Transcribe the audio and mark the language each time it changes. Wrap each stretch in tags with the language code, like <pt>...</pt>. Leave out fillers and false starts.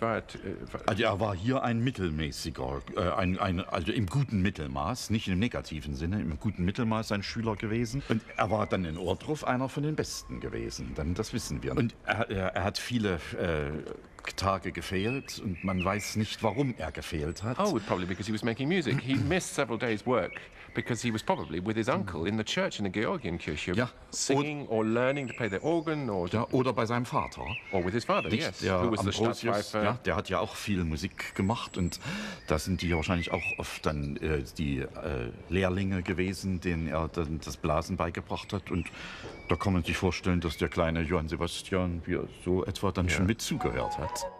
<de>Er war hier ein mittelmäßiger, also im guten Mittelmaß, nicht im negativen Sinne, im guten Mittelmaß ein Schüler gewesen. Und er war dann in Ohrdruf einer von den Besten gewesen, denn das wissen wir. Und er hat viele Tage gefehlt und man weiß nicht, warum er gefehlt hat.</de> <en>Oh, probably because he was making music. He missed several days' work because he was probably with his uncle in the church in the Georgienkirche, singing or learning to play the organ or.</en> <de>Ja, oder bei seinem Vater.</de> <en>Or with his father,</en> <de>nicht?</de> <en>Yes. Who was the Stadtpfeifer?</en> <de>Ja, der hat ja auch viel Musik gemacht und da sind die wahrscheinlich auch oft dann Lehrlinge gewesen, denen er dann das Blasen beigebracht hat. Und da kann man sich vorstellen, dass der kleine Johann Sebastian wie so etwa dann schon mit zugehört hat.</de>